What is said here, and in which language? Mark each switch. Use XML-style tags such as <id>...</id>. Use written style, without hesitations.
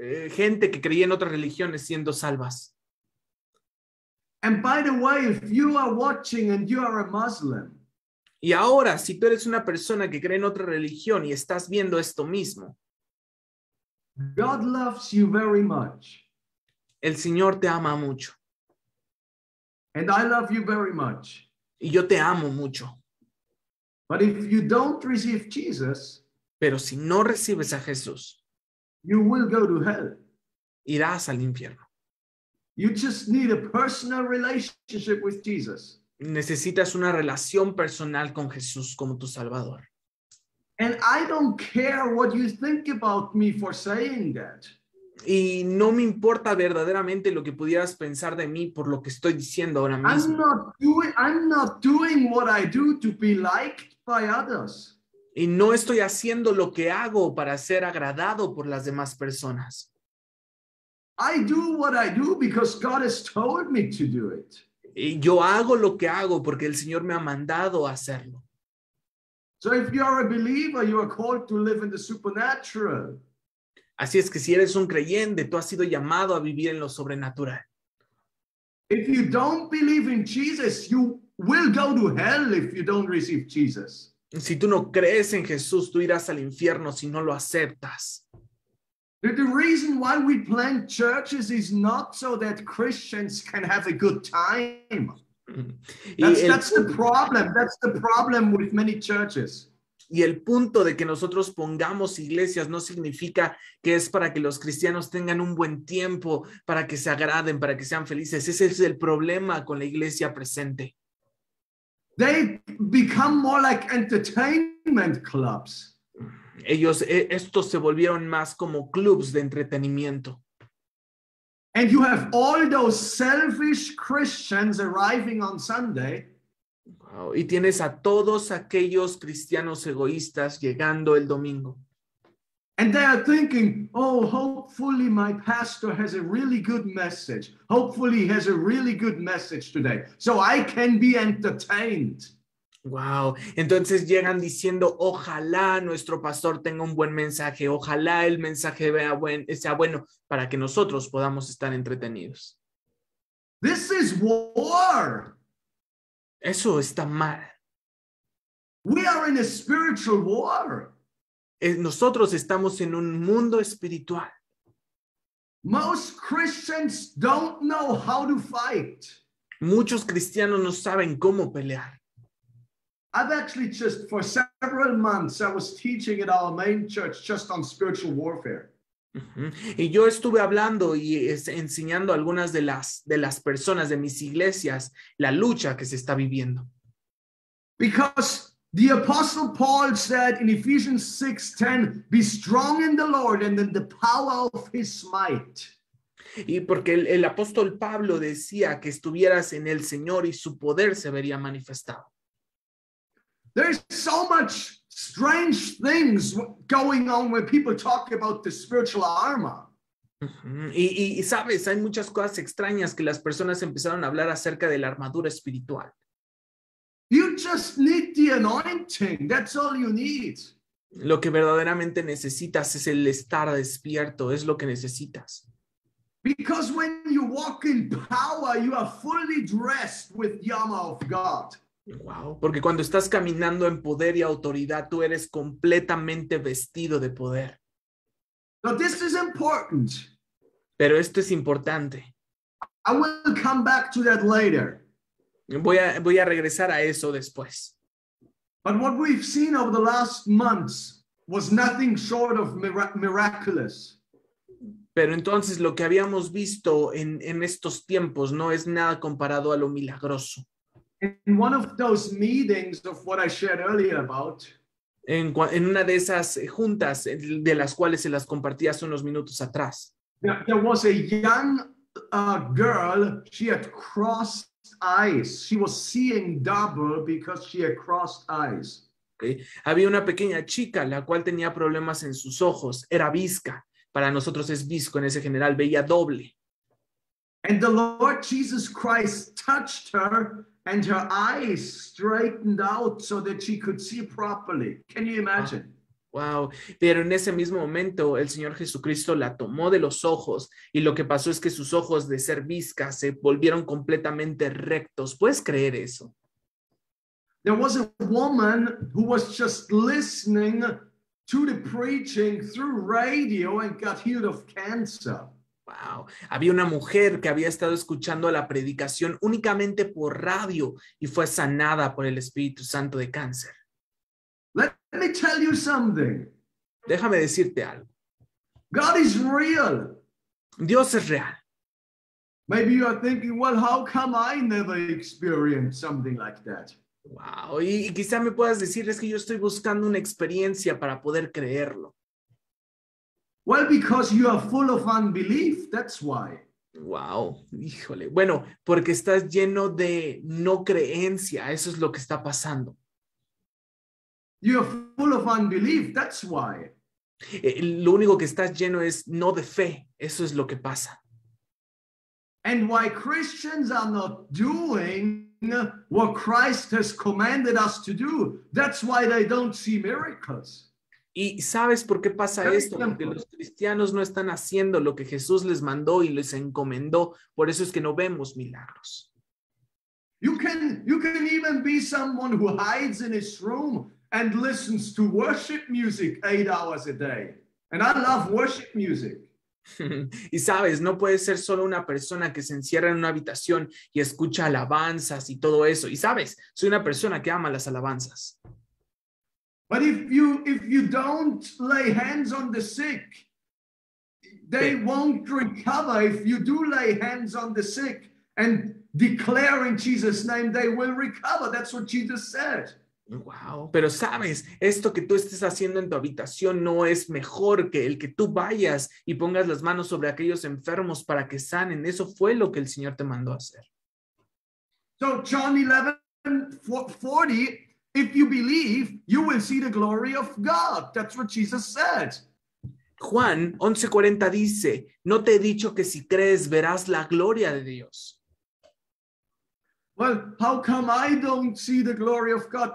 <es>Gente que creía en otras religiones siendo salvas.</es> <en>And by the way, if you are watching and you are a Muslim.</en> <es>Y ahora, si tú eres una persona que cree en otra religión y estás viendo esto mismo.</es> <en>God loves you very much.</en> <es>El Señor te ama mucho.</es> <en>And I love you very much.</en> <es>Y yo te amo mucho.</es> <en>But if you don't receive Jesus,</en> <es>pero si no recibes a Jesús,</es> <en>you will go to hell.</en> <es>Irás al infierno.</es> <en>You just need a personal relationship with Jesus.</en> <es>Necesitas una relación personal con Jesús como tu Salvador.</es> <en>And I don't care what you think about me for saying that.</en> <es>Y no me importa verdaderamente lo que pudieras pensar de mí por lo que estoy diciendo ahora mismo.</es> <en>I'm not doing what I do to be liked by others.</en> <es>Y no estoy haciendo lo que hago para ser agradado por las demás personas.</es> <en>I do what I do because God has told me to do it.</en> <es>Y yo hago lo que hago porque el Señor me ha mandado a hacerlo.</es> <en>So if you are a believer, you are called to live in the supernatural.</en> <es>Así es que si eres un creyente, tú has sido llamado a vivir en lo sobrenatural.</es> <en>If you don't believe in Jesus, you will go to hell if you don't receive Jesus.</en> <es>Si tú no crees en Jesús, tú irás al infierno si no lo aceptas.</es> <en>The reason why we plant churches is not so that Christians can have a good time. That's the problem. That's the problem with many churches.</en> <es>Y el punto de que nosotros pongamos iglesias no significa que es para que los cristianos tengan un buen tiempo, para que se agraden, para que sean felices. Ese es el problema con la iglesia presente.</es> <en>They become more like entertainment clubs.</en> <es>Estos se volvieron más como clubs de entretenimiento.</es> <en>And you have all those selfish Christians arriving on Sunday. Wow.</en> <es>Y tienes a todos aquellos cristianos egoístas llegando el domingo.</es> <en>And they are thinking, oh, hopefully my pastor has a really good message. Hopefully he has a really good message today. So I can be entertained. Wow.</en> <es>Entonces llegan diciendo, ojalá nuestro pastor tenga un buen mensaje. Ojalá el mensaje sea bueno para que nosotros podamos estar entretenidos.</es> <en>This is war.</en> <es>Eso está mal.</es> <en>We are in a spiritual war.</en> <es>Nosotros estamos en un mundo espiritual.</es> <en>Most Christians don't know how to fight.</en> <es>Muchos cristianos no saben cómo pelear.</es> <en>I've actually just for several months I was teaching at our main church just on spiritual warfare.</en> <es>Y yo estuve hablando y enseñando a algunas de las personas de mis iglesias la lucha que se está viviendo.</es> <en>Because the Apostle Paul said in Ephesians 6:10, be strong in the Lord and in the power of his might.</en> <es>Y porque el apóstol Pablo decía que estuvieras en el Señor y su poder se vería manifestado.</es> <en>There's so much strange things going on when people talk about the spiritual armor.</en> <es>Y sabes, hay muchas cosas extrañas que las personas empezaron a hablar acerca de la armadura espiritual.</es> <en>You just need the anointing. That's all you need.</en> <es>Lo que verdaderamente necesitas es el estar despierto, es lo que necesitas.</es> <en>Because when you walk in power, you are fully dressed with the armor of God.</en> <es>Wow, porque cuando estás caminando en poder y autoridad, tú eres completamente vestido de poder.</es> <en>Now this is important.</en> <es>Pero esto es importante.</es> <en>I will come back to that later.</en> <es>Voy a regresar a eso después.</es> <en>But what we've seen over the last months was nothing short of miraculous.</en> <es>Pero entonces lo que habíamos visto en estos tiempos no es nada comparado a lo milagroso.</es> <en>In one of those meetings of what I shared earlier about,</en> <es>en una de esas juntas de las cuales se las compartí hace unos minutos atrás,</es> <en>there was a young girl. She had crossed eyes. She was seeing double because she had crossed eyes. Okay.</en> <es>Había una pequeña chica la cual tenía problemas en sus ojos. Era visca. Para nosotros es visco. En ese general veía doble.</es> <en>And the Lord Jesus Christ touched her, and her eyes straightened out so that she could see properly. Can you imagine? Wow.</en> <es>Pero en ese mismo momento, el Señor Jesucristo la tomó de los ojos, y lo que pasó es que sus ojos de ser visca se volvieron completamente rectos. ¿Puedes creer eso?</es> <en>There was a woman who was just listening to the preaching through radio and got healed of cancer. Wow.</en> <es>Había una mujer que había estado escuchando la predicación únicamente por radio y fue sanada por el Espíritu Santo de cáncer.</es> <en>Let me tell you something.</en> <es>Déjame decirte algo.</es> <en>God is real.</en> <es>Dios es real.</es> <en>Maybe you are thinking, well, how come I never experienced something like that? Wow.</en> <es>Y quizá me puedas decir, es que yo estoy buscando una experiencia para poder creerlo.</es> <en>Well, because you are full of unbelief, that's why.</en> <es>Wow, híjole. Bueno, porque estás lleno de no creencia. Eso es lo que está pasando.</es> <en>You are full of unbelief, that's why.</en> <es>Lo único que estás lleno es no de fe. Eso es lo que pasa.</es> <en>And why Christians are not doing what Christ has commanded us to do. That's why they don't see miracles.</en> <es>¿Y sabes por qué pasa esto? Porque los cristianos no están haciendo lo que Jesús les mandó y les encomendó. Por eso es que no vemos milagros.</es> <en>You can even be someone who hides in his room and listens to worship music 8 hours a day. And I love worship music.</en> <es>Y sabes, no puede ser solo una persona que se encierra en una habitación y escucha alabanzas y todo eso. Y sabes, soy una persona que ama las alabanzas.</es> <en>But if you don't lay hands on the sick, they won't recover. If you do lay hands on the sick and declare in Jesus' name, they will recover. That's what Jesus said. Wow.</en> <es>Pero sabes, esto que tú estés haciendo en tu habitación no es mejor que el que tú vayas y pongas las manos sobre aquellos enfermos para que sanen. Eso fue lo que el Señor te mandó a hacer.</es> <en>So John 11:40. If you believe, you will see the glory of God. That's what Jesus said.</en> <es>Juan 11:40 dice, no te he dicho que si crees verás la gloria de Dios.</es> <en>Well, how come I don't see the glory of God?</en>